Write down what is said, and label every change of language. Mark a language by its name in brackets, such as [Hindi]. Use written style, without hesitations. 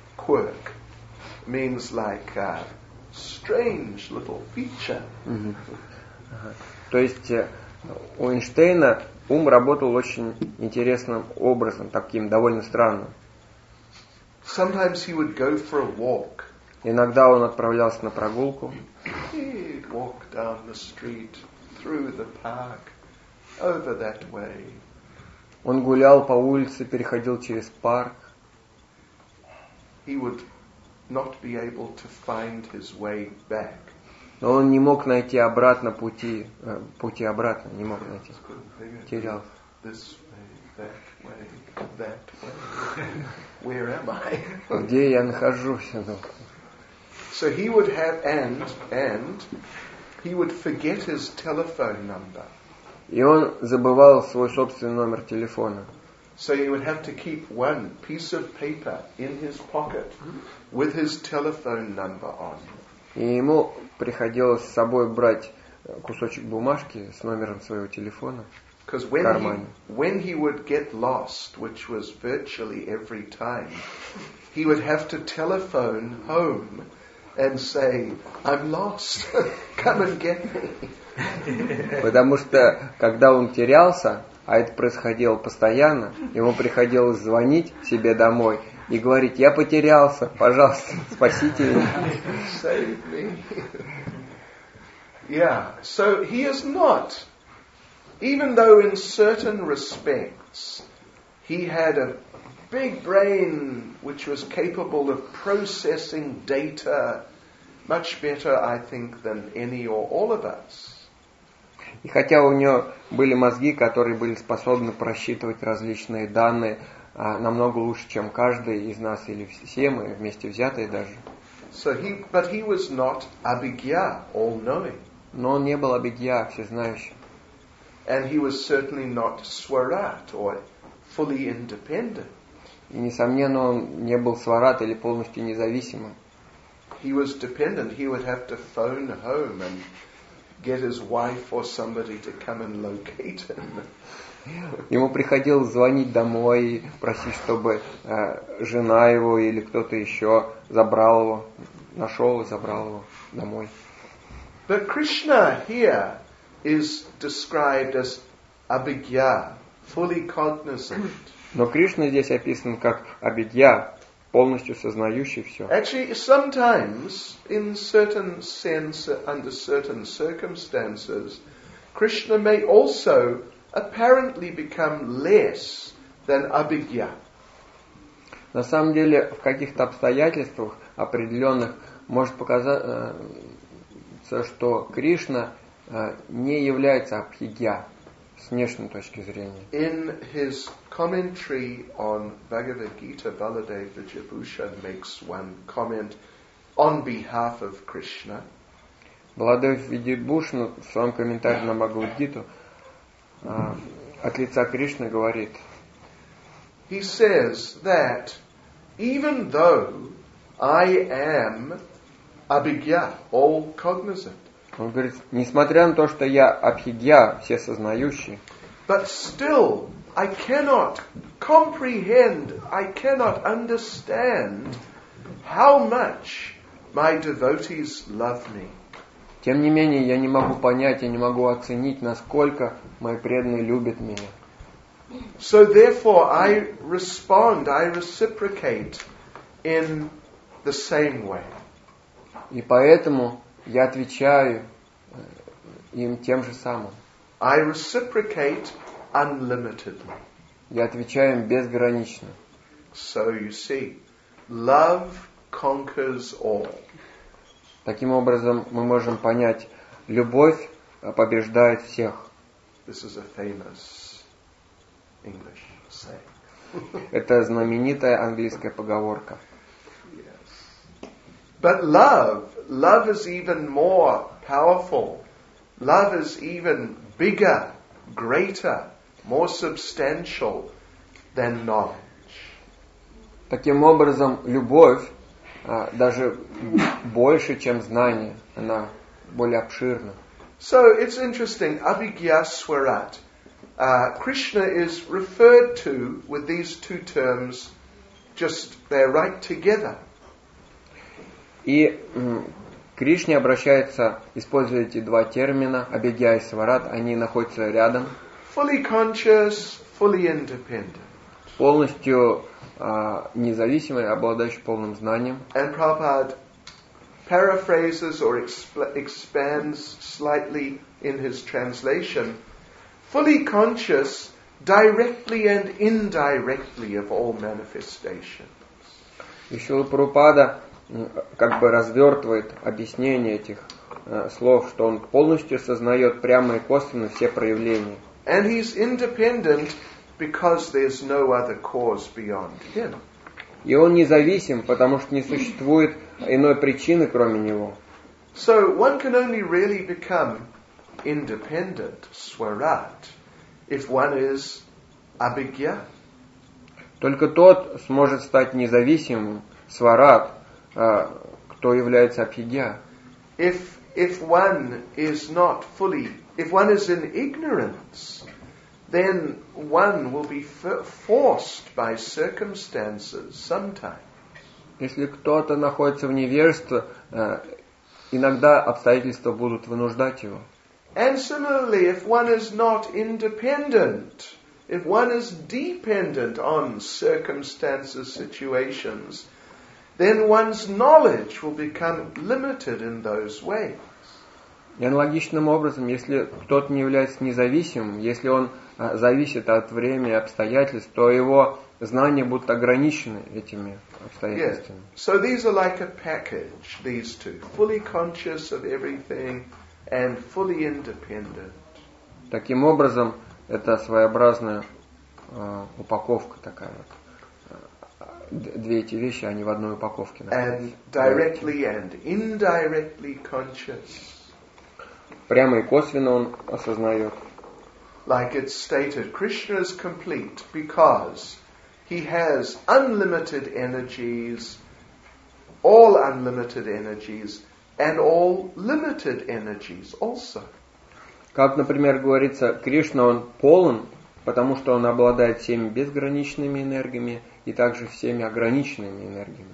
[English] Quirk means like strange little feature. Mm-hmm. [Russian] То есть у Эйнштейна ум работал очень интересным образом, таким довольно странным. [English] Sometimes he would go for a walk. [Russian] Иногда он отправлялся на прогулку. [English] He'd walk down the street, through the park, over that way. [Russian] Он гулял по улице, переходил через парк. [English] He would not be able to find his way back. [Russian] Но он не мог найти обратно пути, пути обратно, не мог найти. Терял. [English] This way, that way, that way. Where am I? [Russian] Где я нахожусь? [English] So he would have and he would forget his telephone number. [Russian] И он забывал свой собственный номер телефона. [English] So he would have to keep one piece of paper in his pocket with his telephone number on. [Russian] И ему приходилось с собой брать кусочек бумажки с номером своего телефона в кармане. [English] When he would get lost, which was virtually every time, he would have to telephone home and say, I'm lost, come and get me. [Russian] Потому что, когда он терялся, а это происходило постоянно, ему приходилось звонить себе домой и говорить, я потерялся, пожалуйста, спасите меня. [English] Yeah, so he is not, even though in certain respects he had a big brain which was capable of processing data much better, I think, than any or all of us. [Russian] И хотя у него были мозги, которые были способны просчитывать различные данные намного лучше, чем каждый из нас или все мы вместе взятые даже. [English] So he, but he was not Abhigya, all-knowing. [Russian] Но он не был Абхигья, всезнающим. [English] And he was certainly not Swarat or fully independent. [Russian] И несомненно, он не был Сварат или полностью независимым. [English] He was dependent. He would have to phone home and get his wife or somebody to come and locate him. [Russian] Ему приходилось звонить домой, просить, чтобы жена его или кто-то еще забрал его, нашел и забрал его домой. [English] But Krishna here is described as Abhigya, fully cognizant. [Russian] Но Кришна здесь описан как Абхигья, полностью сознающий все. [English] Actually, sometimes, in certain sense, under certain circumstances, Krishna may also apparently become less than Abhigya. [Russian] На самом деле, в каких-то обстоятельствах определенных может показаться, что Кришна не является Абхигья с внешней точки зрения. [English] In his commentary on Bhagavad Gita, Baladev Vijayabhushan makes one comment on behalf of Krishna. [Russian] Baladev Vijayabhushan в своем комментарии на Бхагавад Гиту от лица Кришны говорит. [English] He says that even though I am Abhigya, all cognizant, [Russian] Он говорит, несмотря на то, что я абхигья, всесознающий, [English] but still I cannot comprehend, I cannot understand how much my devotees love me. [Russian] Тем не менее, я не могу понять, я не могу оценить, насколько мои преданные любят меня. [English] So therefore I respond, I reciprocate in the same way. [Russian] И поэтому я отвечаю им тем же самым. [English] I reciprocate unlimitedly. [Russian] Я отвечаю им безгранично. [English] So you see, love conquers all. [Russian] Таким образом, мы можем понять, любовь побеждает всех. [English] This is a famous English saying. [Russian] Это знаменитая английская поговорка. [English] Yes. But love is even more powerful. Love is even bigger, greater, more substantial than knowledge. [Russian] Таким образом, любовь даже больше, чем знание, она более обширна. [English] So it's interesting, abhigya swarat. Krishna is referred to with these two terms, just they're right together. [Russian] И Кришне обращается, используя эти два термина, абхигья и сварат, они находятся рядом. [English] Fully conscious, fully independent. [Russian] Полностью независимый, обладающий полным знанием. [English] And Prabhupada paraphrases or expands slightly in his translation. Fully conscious, directly and indirectly of all manifestations. [Russian] И Шрила Прабхупада как бы развертывает объяснение этих слов, что он полностью сознает прямо и косвенно все проявления. [English] And he's independent because there's no other cause beyond him. [Russian] И он независим, потому что не существует иной причины, кроме него. [English] So one can only really become independent, swarat, if one is abhigya. [Russian] Только тот сможет стать независимым, сварат, кто является абхигья. [English] If one is not fully, if one is in ignorance, then one will be forced by circumstances sometimes. [Russian] Если кто-то находится в невежестве, иногда обстоятельства будут вынуждать его. [English] And similarly, if one is not independent, if one is dependent on circumstances, situations, then one's knowledge will become limited in those ways. [Russian] И аналогичным образом, если кто-то не является независимым, если он зависит от времени, обстоятельств, то его знания будут ограничены этими обстоятельствами. [English] Yes. So these are like a package, these two. Fully conscious of everything and fully independent. [Russian] Таким образом, это своеобразная упаковка такая вот. Две эти вещи, они в одной упаковке. [English] And directly and indirectly conscious. [Russian] Прямо и косвенно он осознает. [English] Like it's stated, Krishna is complete because he has unlimited energies, all unlimited energies, and all limited energies also. [Russian] Как, например, говорится, Кришна, он полон, потому что он обладает всеми безграничными энергиями и также всеми ограниченными энергиями.